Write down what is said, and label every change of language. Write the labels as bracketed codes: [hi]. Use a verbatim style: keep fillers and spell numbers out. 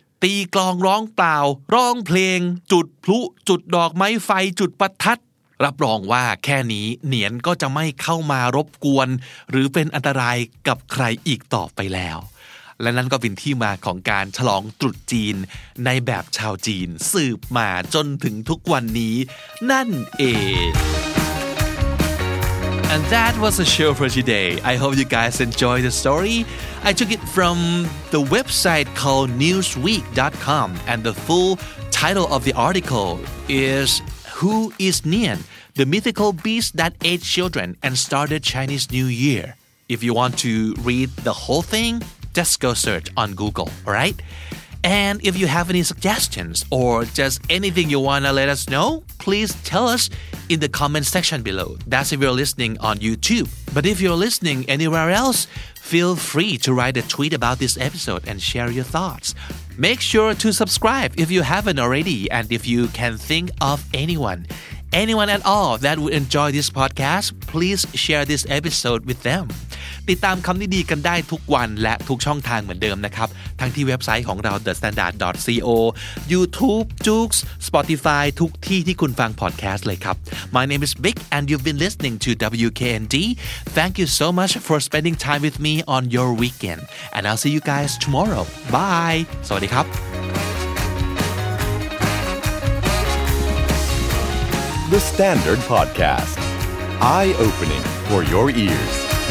[th] ตีกลองร้องเปล่าร้องเพลงจุดพลุจุดดอกไม้ไฟจุดประทัดรับรองว่าแค่นี้เหนียนก็จะไม่เข้ามารบกวนหรือเป็นอันตรายกับใครอีกต่อไปแล้วและนั่นก็เป็นที่มาของการฉลองตรุษจีนในแบบชาวจีนสืบมาจนถึงทุกวันนี้นั่นเอง [en] And that was the show for today. I hope you guys enjoyed the story. I took it from the website called newsweek dot com and the full title of the article is Who is Nian? The Mythical Beast That Ate Children and Started Chinese New Year. If you want to read the whole thing,just go search on Google, alright? And if you have any suggestions or just anything you want to let us know, please tell us in the comment section below. That's if you're listening on YouTube. But if you're listening anywhere else, feel free to write a tweet about this episode and share your thoughts. Make sure to subscribe if you haven't already and if you can think of anyone. Anyone at all that would enjoy this podcast, please share this episode with them. [th] ติดตามคำนี้ดีกันได้ทุกวันและทุกช่องทางเหมือนเดิมนะครับทั้งที่เว็บไซต์ของเรา the standard dot co, YouTube, Joox, Spotify ทุกที่ที่คุณฟัง podcast เลยครับ [en] My name is Vic and you've been listening to [th] ดับเบิลยู เค เอ็น ดี. [en] Thank you so much for spending time with me on your weekend. And I'll see you guys tomorrow. Bye. [th] สวัสดีครับ [en] The Standard Podcast. Eye-opening for your ears.